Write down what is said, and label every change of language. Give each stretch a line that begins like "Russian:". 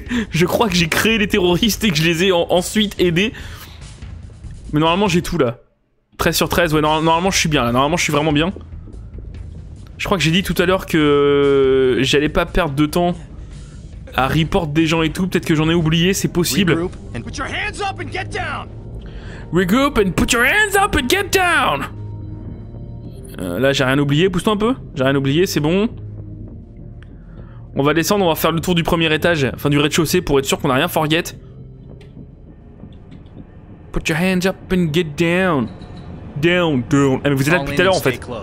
French: Je crois que j'ai créé les terroristes et que je les ai ensuite aidés. Mais normalement j'ai tout là. 13 sur 13, ouais normalement je suis bien là. Normalement je suis vraiment bien. Je crois que j'ai dit tout à l'heure que j'allais pas perdre de temps à report des gens et tout. Peut-être que j'en ai oublié, c'est possible.
English: Regroup and put your hands up and get down.
French: Là, j'ai rien oublié, pousse-toi un peu. J'ai rien oublié, c'est bon. On va descendre, on va faire le tour du premier étage, enfin du rez-de-chaussée pour être sûr qu'on a rien forget.
English: Put your hands up and get down. Down, down.
French: Ah, mais vous êtes là depuis tout à l'heure en fait.